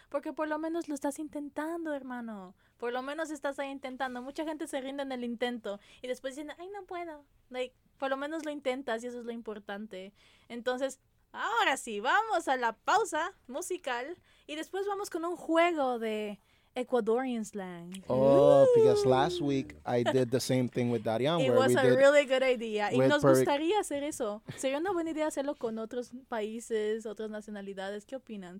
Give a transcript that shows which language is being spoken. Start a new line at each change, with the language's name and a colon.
Spanish: Porque por lo menos lo estás intentando, hermano. Por lo menos estás ahí intentando. Mucha gente se rinde en el intento. Y después dicen, ay, no puedo. Like, por lo menos lo intentas y eso es lo importante. Entonces, ahora sí, vamos a la pausa musical. Y después vamos con un juego de
English: Ecuadorian slang. Oh, ooh. Because last week I did the same thing with Darian. It was a really good idea.
Spanish: Y nos gustaría hacer eso. Sería una buena idea hacerlo con otros países, otras nacionalidades. ¿Qué opinan?